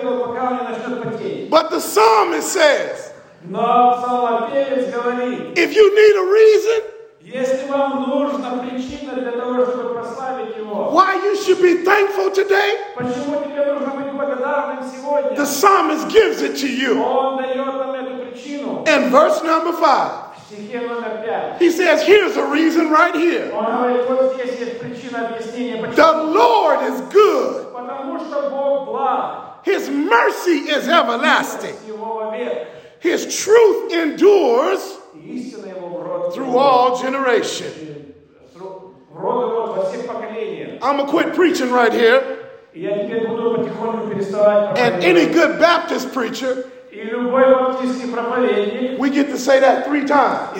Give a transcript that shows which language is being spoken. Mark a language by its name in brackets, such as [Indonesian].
[English] But the psalmist says, if you need a reason, [Russian] если вам нужна причина для того, чтобы прославить Его, [English] why you should be thankful today? [Russian] Почему тебе нужно быть благодарным сегодня? [English] The psalmist gives it to you. [Russian] Он дает нам эту причину. [English] In verse number 5. [Russian] Стихе номер 5. [English] He says, here's a reason right here. [Russian] Он говорит, вот здесь есть причина объяснения. Почему? [English] The Lord is good. [Russian] Потому что Бог благ. [English] His mercy is everlasting. His truth endures. Through all generation. I'm going to quit preaching right here. And any good Baptist preacher, we get to say that 3 times.